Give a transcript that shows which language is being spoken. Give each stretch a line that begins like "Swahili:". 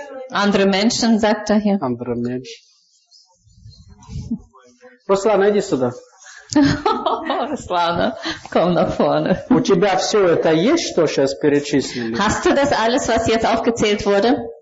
German: Andere Menschen, sagt er hier. Andere Menschen.
Russian: Руслан, иди сюда.
German: Руслан, komm nach vorne.
Russian: У тебя все это есть, что сейчас перечислили?
German: Hast du das alles, was jetzt aufgezählt wurde?